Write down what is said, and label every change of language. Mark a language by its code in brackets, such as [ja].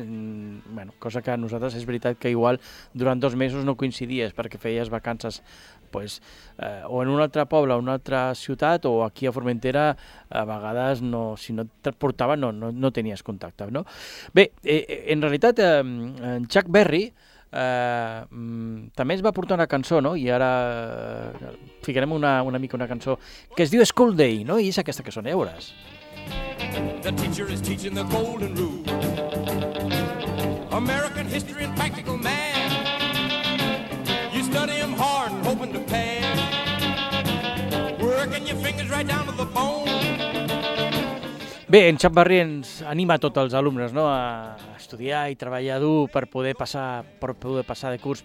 [ca] bueno, cosa que a nosaltres és veritat que igual durant 2 mesos no coincidies, perquè feies vacances pues, o en un altre poble, o en una altra ciutat, o aquí a Formentera, a vegades, no, si no et portava, no tenies contacte. No? Bé, en realitat, en Chuck Berry... també es va portar una cançó, no? I ara ficarem una mica una cançó que es diu School Day, no? I és aquesta cançó, ja veuràs. [en] The teacher is teaching the golden rule, American history and practical man. You study them hard and hoping to pass, working your fingers right down to the bone. [ca] Bé, en Chuck Berry ens anima a tots els alumnes, no? A estudiar i treballar dur per poder passar de curs.